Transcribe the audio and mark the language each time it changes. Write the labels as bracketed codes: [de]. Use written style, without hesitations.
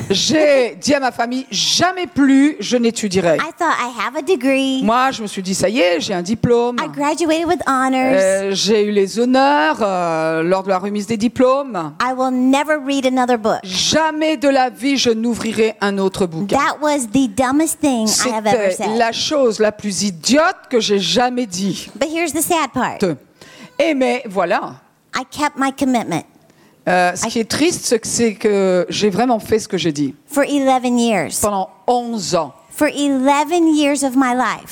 [fr] J'ai dit à ma famille, jamais plus je n'étudierai. [en] I thought I have a degree. [fr] Moi, je me suis dit, ça y est, j'ai un diplôme. [en] I graduated with honors. [fr] J'ai eu les honneurs lors de la remise des diplômes. [en] I will never read another book. [fr] Jamais de la vie je n'ouvrirai un autre bouquin. [en] That was the dumbest thing I have ever said. [fr] C'était la chose la plus idiote que j'ai jamais dit. [en] But here's the sad part. [fr] Et mais voilà. [en] I kept my commitment. [fr] Ce qui est triste, c'est que j'ai vraiment fait ce que j'ai dit. [en] For 11 years. [fr] Pendant 11 ans. [en] For 11 years of my life.